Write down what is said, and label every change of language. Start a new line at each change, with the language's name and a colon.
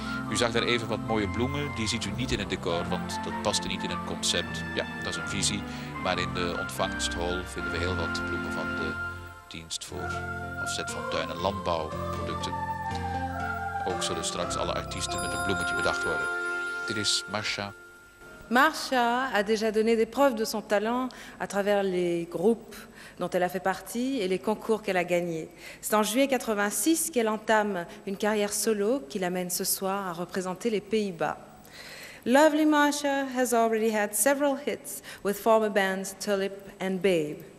Dutch: U zag daar even wat mooie bloemen, die ziet u niet in het decor, want dat paste niet in het concept. Ja, dat is een visie, maar in de ontvangsthal vinden we heel wat bloemen van de dienst voor afzet van tuin- en landbouwproducten. Ook zullen straks alle artiesten met een bloemetje bedacht worden. Dit is Marsha.
French: Marsha a déjà donné des preuves de son talent à travers les groupes dont elle a fait partie et les concours qu'elle a gagnés. C'est en juillet 86 qu'elle entame une carrière solo qui l'amène ce soir à représenter les Pays-Bas.
English: Lovely Marsha has already had several hits with former bands Tulip and Babe.